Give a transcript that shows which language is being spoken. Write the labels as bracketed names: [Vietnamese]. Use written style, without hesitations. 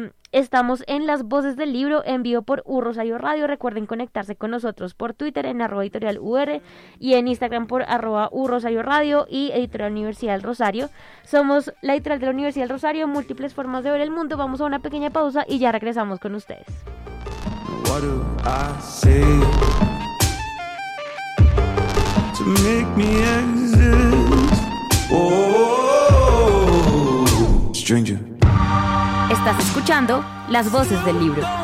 [Spanish] Estamos en Las Voces del Libro, en vivo por U Rosario Radio. Recuerden conectarse con nosotros por Twitter en @editorialUR y en Instagram por @URosarioRadio y Editorial Universidad del Rosario. Somos la editorial de la Universidad del Rosario, múltiples formas de ver el mundo. Vamos a una pequeña pausa y ya regresamos con ustedes. [English] What do I say to make me exist? Oh, stranger. [Spanish] Estás escuchando Las Voces del Libro.